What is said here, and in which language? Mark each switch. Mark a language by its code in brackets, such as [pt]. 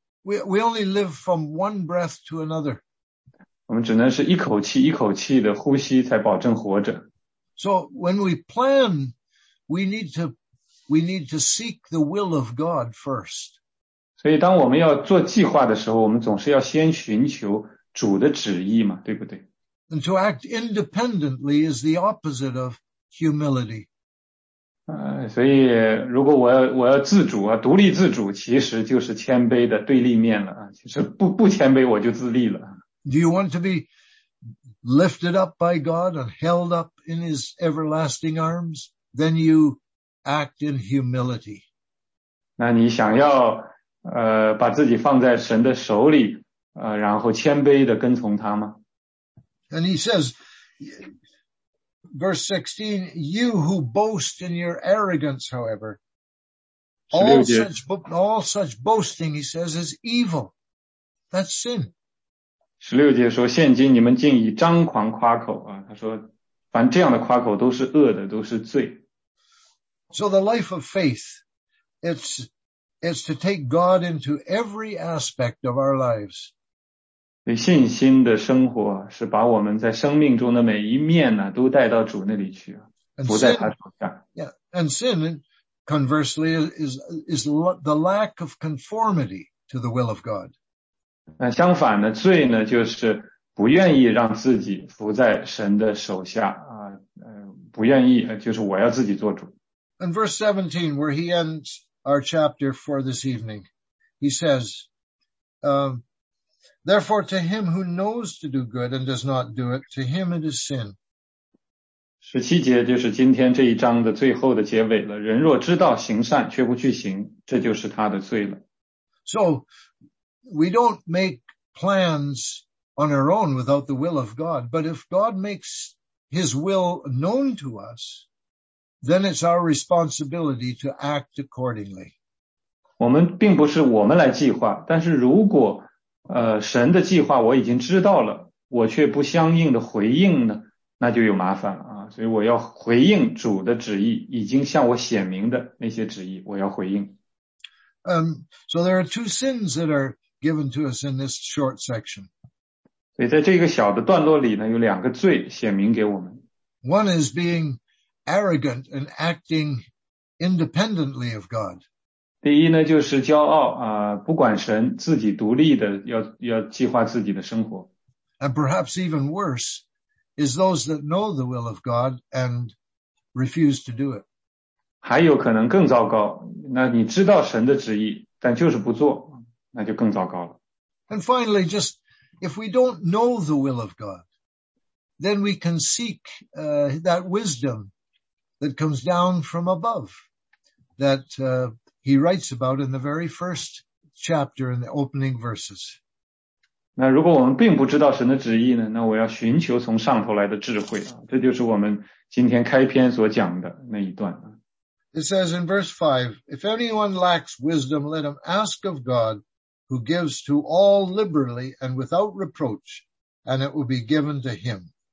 [en] We only live from one breath to another. [zh] 我们只能是一口气一口气的呼吸才保证活着。 [en] So when we plan, we need to seek the will of God first. [zh] 所以当我们要做计划的时候，我们总是要先寻求主的旨意嘛，对不对？ [en] And to act independently is the opposite of humility. [zh] 所以如果我要自主啊，独立自主，其实就是谦卑的对立面了啊。其实不谦卑我就自立了。 [en] Do you want to be lifted up by God and held up in His everlasting arms? Then you act in humility. [zh] 那你想要把自己放在神的手里然后谦卑的跟从他吗？ [en] And he says, Verse 16, you who boast in your arrogance, however, all such boasting, he says, is evil. That's sin. [zh] 16节说，现今你们竟以张狂夸口啊，他说，凡这样的夸口都是恶的，都是罪。 [en] So the life of faith, it's to take God into every aspect of our lives. [zh] 对信心的生活是把我们在生命中的每一面呢都带到主那里去，不在他手下。 [en] Yeah, and sin, conversely, is the lack of conformity to the will of God. [zh] 那相反呢，罪呢就是不愿意让自己服在神的手下啊，不愿意，就是我要自己做主。 [en] And verse 17, where he ends our chapter for this evening, he says, Therefore, to him who knows to do good and does not do it, to him it is sin. [zh] 17节就是今天这一章的最后的结尾了。人若知道行善却不去行，这就是他的罪了。 [en] So, we don't make plans on our own without the will of God, but if God makes his will known to us, then it's our responsibility to act accordingly. [zh] 我们并不是我们来计划，但是如果神的计划我已经知道了，我却不相应的回应呢，那就有麻烦了啊！所以我要回应主的旨意，已经向我显明的那些旨意，我要回应。 [en] So there are two sins that are given to us in this short section. [zh] 所以在这个小的段落里呢，有两个罪显明给我们。 [en] One is being arrogant and acting independently of God. [zh] 第一呢就是骄傲啊，不管神，自己独立的要计划自己的生活。 [en] And perhaps even worse is those that know the will of God and refuse to do it. [zh] 还有可能更糟糕，那你知道神的旨意但就是不做，那就更糟糕了。 [en] And finally, just if we don't know the will of God, then we can seek that wisdom that comes down from above that he writes about in the very first chapter in the opening verses. [zh] 那如果我们并不知道神的旨意呢,那我要寻求从上头来的智慧,这就是我们今天开篇所讲的那一段。 [en] It says in verse 5, if anyone lacks wisdom, let him ask of God, who gives to all liberally and without reproach, and it will be given to him.